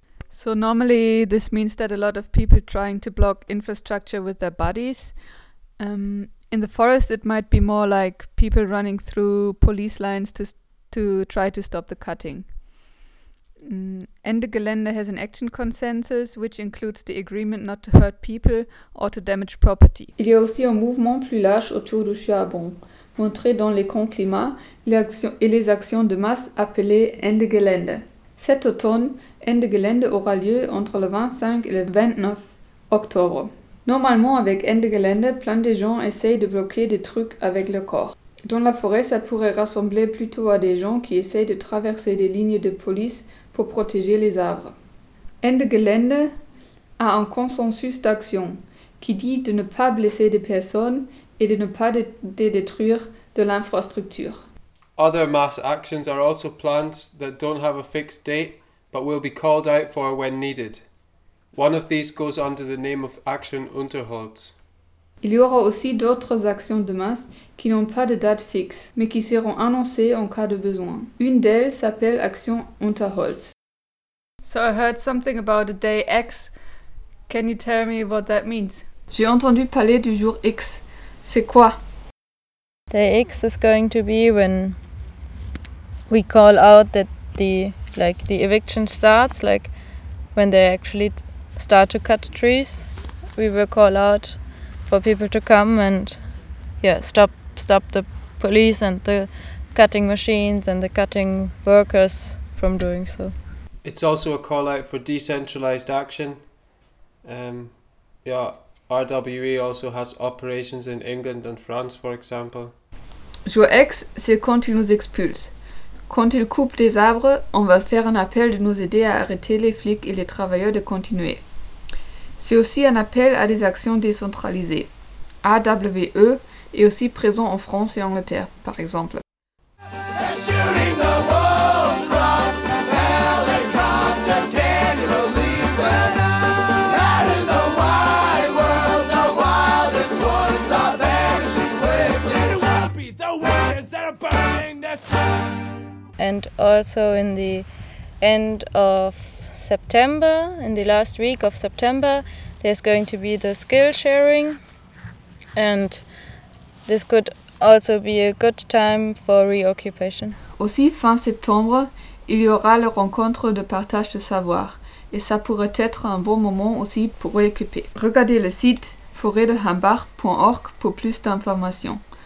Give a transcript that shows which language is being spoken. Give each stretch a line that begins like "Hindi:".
English: So normally this means that a lot of people trying to block infrastructure with their bodies. In the forest, it might be more like people running through police lines to try to stop the cutting. Ende Gelände has an action consensus, which includes the agreement not to hurt people or to damage property.
French: Il y a aussi un mouvement plus large autour du charbon, montré dans les camps climat et les actions de masse appelées Ende Gelände. Cet automne, Ende Gelände aura lieu entre le 25 et le 29 octobre. Normalement, avec Ende Gelände, plein de gens essayent de bloquer des trucs avec leur corps. Dans la forêt, ça pourrait ressembler plutôt à des gens qui essayent de traverser des lignes de police pour protéger les arbres. Ende Gelände a un consensus d'action qui dit de ne pas blesser des personnes et de ne pas détruire de l'infrastructure.
English: Other mass actions are also planned that don't have a fixed date but will be called out for when needed. One of these goes under the name of Action Unterholz.
French: Il y aura aussi d'autres actions de masse qui n'ont pas de date fixe, mais qui seront annoncées en cas de besoin. Une d'elles s'appelle Action Unterholz.
English: So I heard something about a day X. Can you tell me what that means?
French: J'ai entendu parler du jour X. C'est quoi?
English: Day X is going to be when we call out that the eviction starts, like when they actually start to cut trees. We will call out for people to come and stop the police and the cutting machines and the cutting workers from doing so. It's also a call out for decentralized action. RWE also has operations in England and France, for example.
French: Jour X, c'est quand ils nous expulsent. Quand ils coupent des arbres, on va faire un appel de nous aider à arrêter les flics et les travailleurs de continuer. C'est aussi un appel à des actions décentralisées. AWE est aussi présent en France et en Angleterre, par exemple.
English: And also in the end of September, in the last week of September, there's going to be the skill sharing, and this could also be a good time for reoccupation.
French: Aussi fin septembre, il y aura la rencontre de partage de savoir, et ça pourrait être un bon moment aussi pour récupérer. Regardez le site forêtdehambach.org pour plus d'informations.